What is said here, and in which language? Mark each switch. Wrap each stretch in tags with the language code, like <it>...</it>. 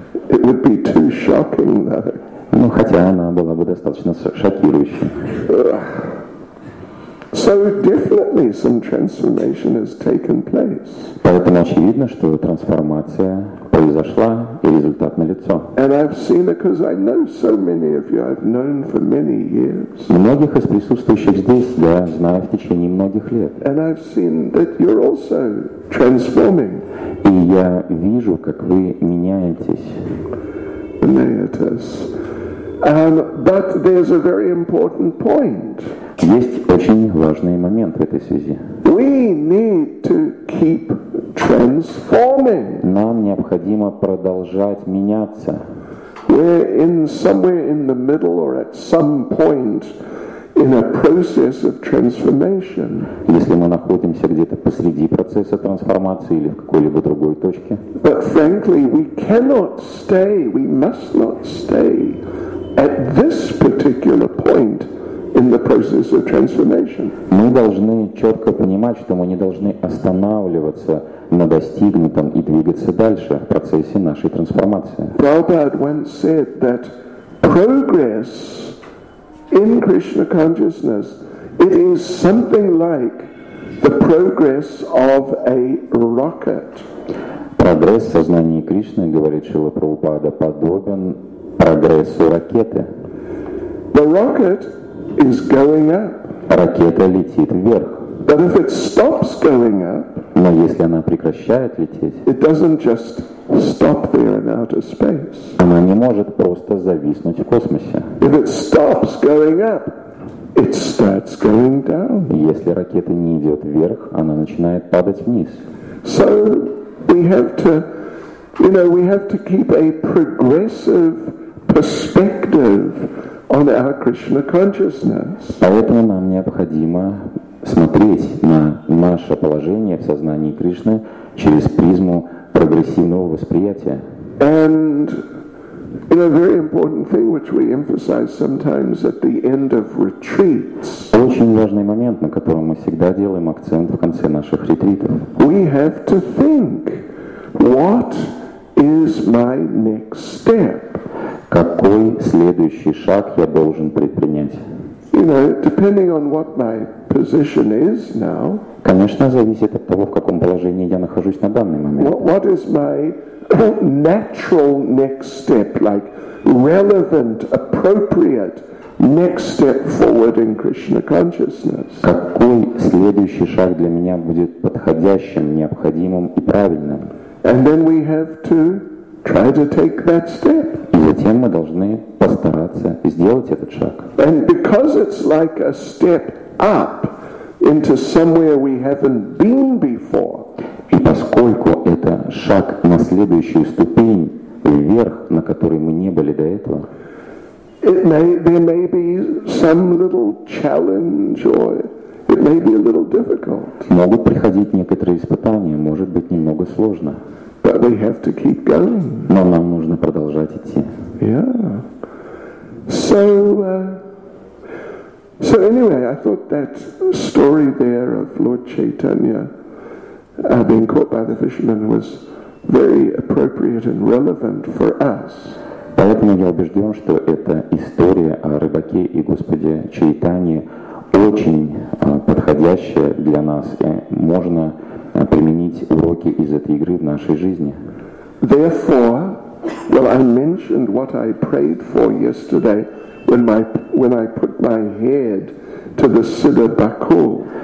<en>It would be too shocking, though.</en> <ru>Ну, хотя она была бы достаточно шокирующей.</ru> <en>So definitely some transformation has taken place.</en> <ru>Поэтому очевидно, что трансформация произошла, и результат налицо.</ru> <en>And I've seen it because I know so many of you I've known for many years.</en> <ru>Многих из присутствующих здесь я знаю в течение многих лет.</ru> <en>And I've seen that you're also transforming.</en> <ru>И я вижу, как вы меняетесь.</ru> <en>Meneatus. But there's a very important point.</en> <ru>Есть очень важный момент в этой связи.</ru> <en>We need to keep transforming.</en> <ru>Нам необходимо продолжать меняться.</ru> <en>We're in somewhere in the middle or at some point in a process of transformation.</en> <ru>Если мы находимся где-то посреди процесса трансформации или в какой-либо другой точке.</ru> <en>But frankly, we cannot stay. We must not stay at this particular point in the process of transformation.</en> <ru>Мы должны четко понимать, что мы не должны останавливаться на достигнутом и двигаться дальше в процессе нашей трансформации.</ru> <en>Prabhupada once said that progress in Krishna consciousness, it is something like the progress of a rocket.</en> <ru>Прогресс в сознании Кришны, говорит Шрила Прабхупада, подобен прогрессу ракеты.</ru> <en>The rocket is going up.</en> <ru>Ракета летит вверх.</ru> <en>But if it stops going up,</en> <ru>но если она прекращает лететь,</ru> <en>it doesn't just stop there in outer space.</en> <ru>Она не может просто зависнуть в космосе.</ru> <en>If it stops going up, it starts going down.</en> <ru>Если ракета не идет вверх, она начинает падать вниз.</ru> <en>So we have to, you know, we have to keep a progressive perspective on our Krishna consciousness.</en> <ru>Поэтому нам необходимо смотреть на наше положение в сознании Кришны через призму прогрессивного восприятия.</ru> <en>And in a very important thing, which we emphasize sometimes at the end of retreats.</en> <ru>Очень важный момент, на котором мы всегда делаем акцент в конце наших ретритов.</ru> <en>We have to think, what is my next step?</en> <ru>Какой следующий шаг я должен предпринять?</ru> <en>You know, depending on what my position is now.</en> <ru>Конечно, зависит от того, в каком положении я нахожусь на данный момент.</ru> <en>What is my natural next step, like relevant, appropriate next step forward in Krishna consciousness?</en> <ru>Какой следующий шаг для меня будет подходящим, необходимым и правильным?</ru> <en>And then we have to try to take that step.</en> <ru>И затем мы должны постараться сделать этот шаг.</ru> <en>And because it's like a step up into somewhere we haven't been before.</en> <ru>И поскольку это шаг на следующую ступень вверх, на которой мы не были до этого,</ru> <en>there may be some little challenge, or it may be a little difficult.</en> <ru>Могут приходить некоторые испытания, может быть немного сложно.</ru> <en>But we have to keep going.</en> <ru>Но нам нужно продолжать идти.</ru> <en>Yeah. So anyway, I thought that story there of Lord Chaitanya being caught by the fisherman was very appropriate and relevant for us.</en> <ru>Поэтому я убежден, что эта история о рыбаке и господе Чайтанье очень подходящая для нас, и можно применить уроки из этой игры в нашей жизни.</ru> <en>Therefore, well, I mentioned what I prayed for yesterday when I put my head to the Siddha Bakul.</en>